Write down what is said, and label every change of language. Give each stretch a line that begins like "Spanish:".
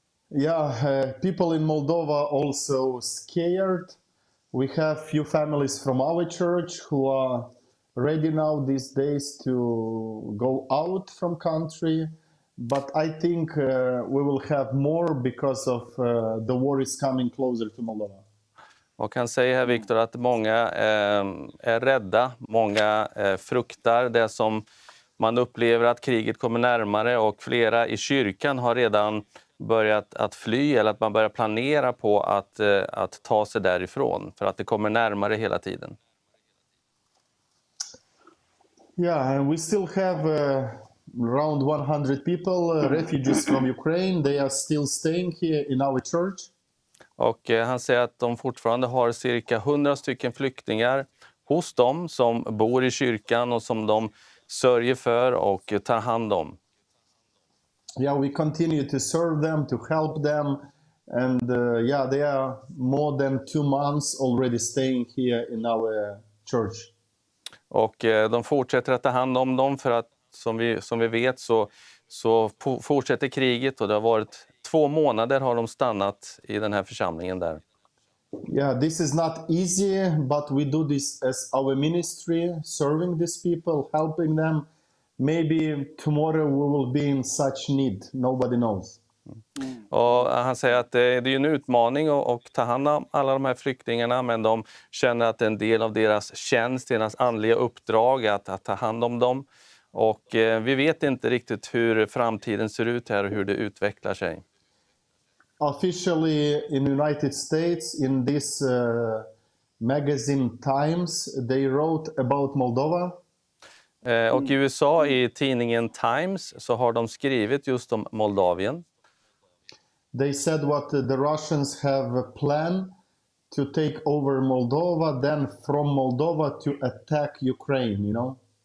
English: Yeah, people in Moldova also scared. We have few families from our church who are ready now these days to go out from country, but I think we will have more because of the war is coming closer to Moldova.
Swedish: Och kan säga här Viktor att många är rädda, många fruktar det som man upplever att kriget kommer närmare och flera i kyrkan har redan börjat att fly eller att man börjar planera på att ta sig därifrån för att det kommer närmare hela tiden.
English: Yeah, and we still have around 100 people refugees from Ukraine. They are still staying here in our church.
Swedish: Och han säger att de fortfarande har cirka 100 stycken flyktingar hos dem som bor i kyrkan och som de sörjer för och tar hand om.
English: Yeah, we continue to serve them, to help them, and yeah, they are more than 2 months already staying here in our church.
Swedish: Och de fortsätter att ta hand om dem för att som vi vet så fortsätter kriget och det har varit 2 månader har de stannat i den här församlingen där.
English: Yeah, this is not easy, but we do this as our ministry, serving these people, helping them. Maybe tomorrow we will be in such need. Nobody knows.
Swedish: Och han säger att det är en utmaning att ta hand om alla de här flyktingarna, men de känner att en del av deras tjänst, deras andliga uppdrag att ta hand om dem. Och vi vet inte riktigt hur framtiden ser ut här och hur det utvecklar sig.
English: Officially in United States, in this magazine Times, they wrote about Moldova.
Swedish: Och i USA i tidningen Times så har de skrivit just om Moldavien.
English: They said what the Russians have a plan to take over Moldova, then from Moldova to attack Ukraine, you know.